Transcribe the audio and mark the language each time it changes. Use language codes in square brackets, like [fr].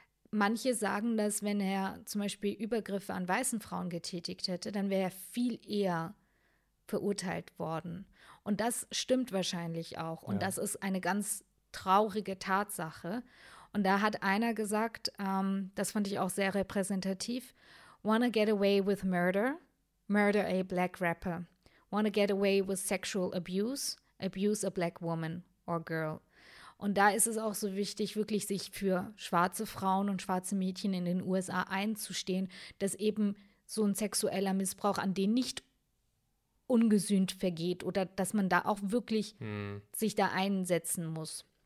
[de] Manche sagen, dass wenn er zum Beispiel Übergriffe an weißen Frauen getätigt hätte, dann wäre er viel eher verurteilt worden. Und das stimmt wahrscheinlich auch. Und das ist eine ganz traurige Tatsache. Und da hat einer gesagt, das fand ich auch sehr repräsentativ, [en] wanna get away with murder? Murder a black rapper. Wanna get away with sexual abuse? Abuse a black woman or girl. [de] Und da ist es auch so wichtig, wirklich sich für schwarze Frauen und schwarze Mädchen in den USA einzustehen, dass eben so ein sexueller Missbrauch an denen nicht ungesühnt vergeht oder dass man da auch wirklich sich da einsetzen muss.